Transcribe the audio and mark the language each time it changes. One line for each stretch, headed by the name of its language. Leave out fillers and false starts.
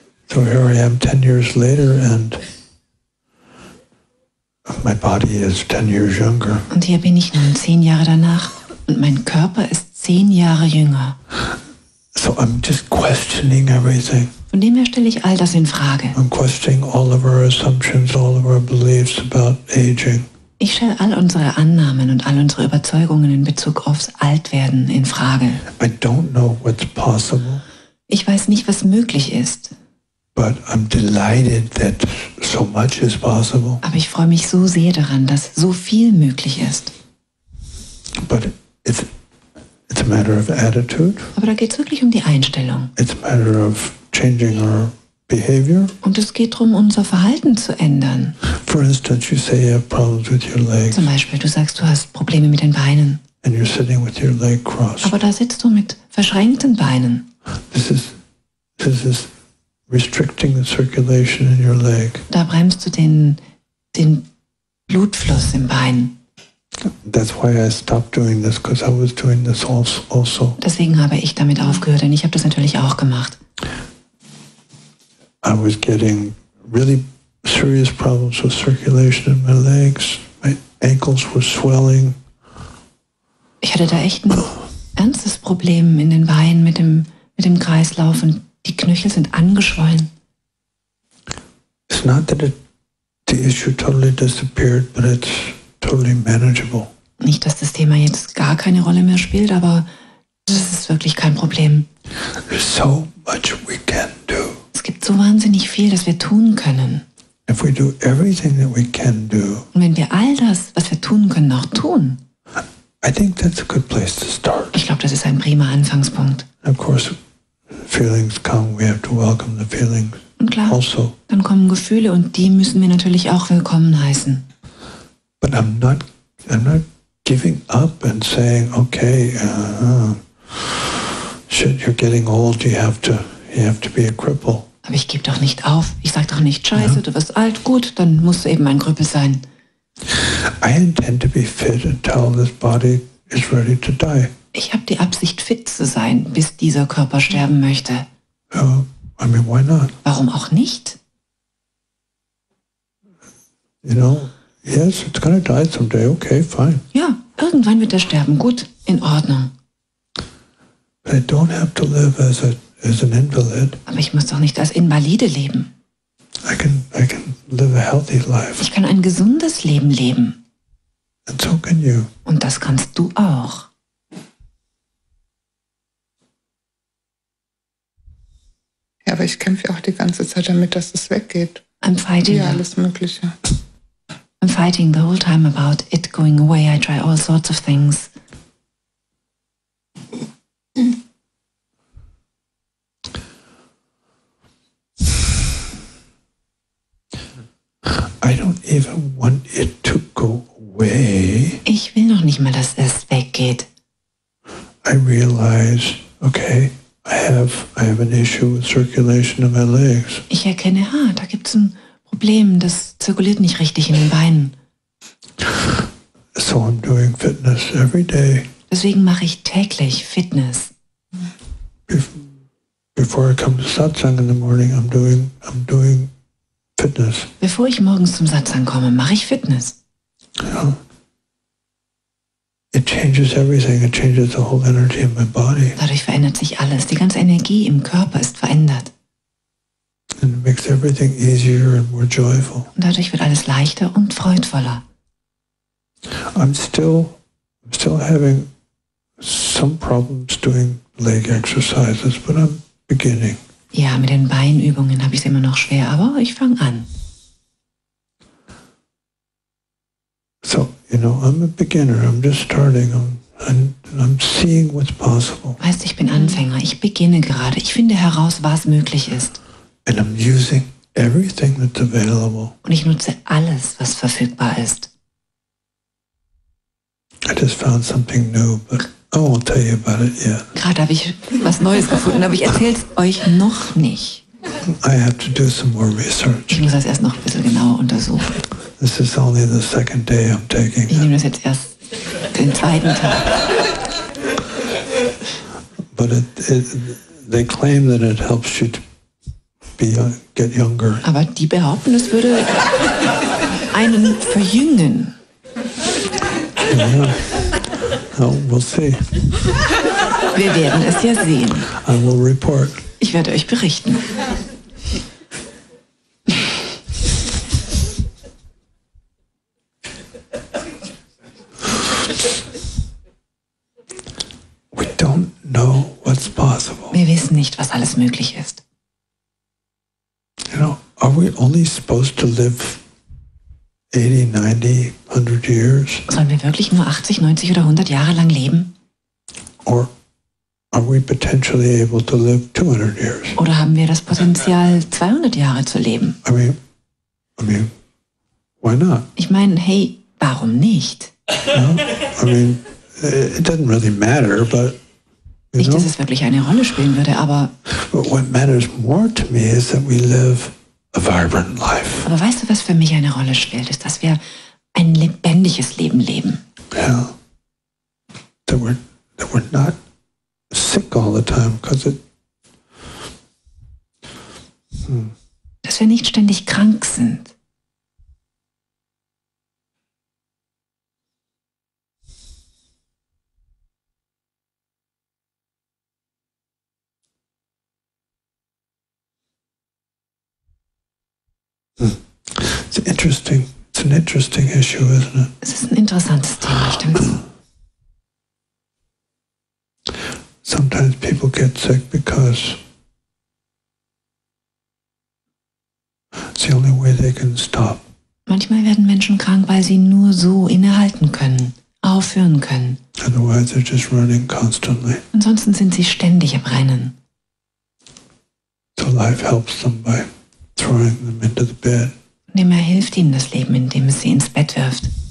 English: So here I am 10 years later and my body is 10 years younger.
German: Und hier bin ich nun 10 Jahre danach und mein Körper ist 10 Jahre jünger.
English: So I'm just questioning everything.
German: Von dem her stelle ich all das in Frage.
English: I'm questioning all of our assumptions, all of our beliefs about aging.
German: Ich stelle all unsere Annahmen und all unsere Überzeugungen in Bezug aufs Altwerden in Frage.
English: I don't know what's possible.
German: Ich weiß nicht, was möglich ist.
English: But I'm delighted that so much is possible.
German: Aber ich freue mich so sehr daran, dass so viel möglich ist.
English: But it's a matter of attitude.
German: Aber da geht es wirklich um die Einstellung.
English: It's a matter of changing our behavior.
German: Und es geht darum, unser Verhalten zu ändern.
English: For instance, you say you have problems with your legs.
German: Zum Beispiel, du sagst, du hast Probleme mit den Beinen.
English: And you're sitting with your leg crossed.
German: Aber da sitzt du mit verschränkten Beinen.
English: This is restricting the circulation in your leg.
German: Da bremst du den Blutfluss im Bein.
English: That's why I stopped doing this, because I was doing this also.
German: Deswegen habe ich damit aufgehört, denn ich habe das natürlich auch gemacht.
English: I was getting really serious problems with circulation in my legs. My ankles were swelling.
German: Ich hatte da echt ein ernstes Problem in den Beinen mit dem Kreislauf und die Knöchel sind angeschwollen.
English: It's not that the issue totally disappeared, but it's totally manageable.
German: Nicht, dass das Thema jetzt gar keine Rolle mehr spielt, aber das ist wirklich kein Problem.
English: There's so much we can do.
German: Es gibt so wahnsinnig viel, das wir tun können.
English: If we do everything that we can do,
German: und wenn wir all das, was wir tun können, auch tun,
English: I think that's a good place to start.
German: Ich glaube, das ist ein prima Anfangspunkt.
English: Of course, feelings come, we have to welcome the feelings.
German: Und klar, also, dann kommen Gefühle und die müssen wir natürlich auch willkommen heißen.
English: But I'm not giving up and saying, okay, shit, you're getting old, you have to be a cripple.
German: Aber ich gebe doch nicht auf. Ich sage doch nicht, scheiße, yeah. Du wirst alt, gut, dann musst du eben ein Krüppel sein.
English: I intend to be fit until this body is ready to die.
German: Ich habe die Absicht, fit zu sein, bis dieser Körper sterben möchte.
English: Yeah. I mean, why not?
German: Warum auch nicht?
English: You know, yes, it's gonna die someday, okay, fine.
German: Ja, irgendwann wird er sterben, gut, in Ordnung.
English: But I don't have to live as an invalid.
German: Aber ich muss doch nicht als Invalide leben.
English: I can live a healthy life.
German: Ich kann ein gesundes Leben leben.
English: And so can you.
German: Und das kannst du auch. Ja, aber ich kämpfe auch die ganze Zeit damit, dass es weggeht.
English: I'm fighting.
German: Ja, alles Mögliche.
English: I'm fighting the whole time about it going away. I try all sorts of things. I don't even want it to go away.
German: Ich will noch nicht mal, dass es weggeht.
English: I realize, okay, I have an issue with circulation in my legs.
German: Ich erkenne, da gibt's ein Problem, das zirkuliert nicht richtig in den Beinen.
English: So I'm doing fitness every day.
German: Deswegen mache ich täglich Fitness.
English: Before I come to Satsang in the morning, I'm doing Fitness.
German: Bevor ich morgens zum Satsang komme, mache ich Fitness.
English: Yeah. It changes everything. It changes the whole energy in my body.
German: Dadurch verändert sich alles. Die ganze Energie im Körper ist verändert.
English: And it makes everything easier and more joyful.
German: Und dadurch wird alles leichter und freudvoller.
English: I'm still having some problems doing leg exercises, but I'm beginning.
German: Ja, mit den Beinübungen habe ich es immer noch schwer, aber ich fange an.
English: So, you know, I'm a beginner. I'm just starting. I'm seeing what's possible.
German: Weißt, ich bin Anfänger. Ich beginne gerade. Ich finde heraus, was möglich ist.
English: And I'm using everything that's available.
German: Und ich nutze alles, was verfügbar ist.
English: I just found something new, but I won't tell you about it yet.
German: Gerade habe ich was Neues gefunden, aber ich erzähle es euch noch nicht.
English: I have to do some more research.
German: Ich muss das erst noch ein bisschen genauer untersuchen.
English: This is only the second day I'm taking
German: it. Ich nehme das jetzt erst den zweiten Tag.
English: But they claim that it helps you to get younger.
German: Aber die behaupten, es würde einen verjüngen.
English: Yeah. Oh, we'll see.
German: Wir werden es ja sehen.
English: I will report.
German: Ich werde euch berichten.
English: We don't know what's possible.
German: Wir wissen nicht, was alles möglich ist.
English: You know, are we only supposed to live 80, 90, 100 years?
German: Sollen wir wirklich nur 80, 90 oder 100 Jahre lang leben?
English: Or are we potentially able to live 200 years?
German: Oder haben wir das Potenzial, 200 Jahre zu leben?
English: I mean, why not?
German: Ich meine, hey, warum nicht?
English: No? I mean, it doesn't really matter, but you
German: nicht,
English: know?
German: Dass es wirklich eine Rolle spielen würde, aber.
English: But what matters more to me is that we live a vibrant life.
German: Aber weißt du, was für mich eine Rolle spielt, ist, dass wir ein lebendiges Leben leben.
English: Yeah. That we're not sick all the time, because it.
German: Dass wir nicht ständig krank sind.
English: It's an interesting issue, isn't it?
German: Es ist ein interessantes Thema, stimmt's?
English: Sometimes people get sick because it's the only way they can stop.
German: Manchmal werden Menschen krank, weil sie nur so innehalten können, aufhören können.
English: Otherwise they're just running constantly.
German: Ansonsten sind sie ständig am Rennen.
English: So life helps them by throwing them into the bed.
German: Indem er hilft ihnen das Leben, indem es sie ins Bett wirft.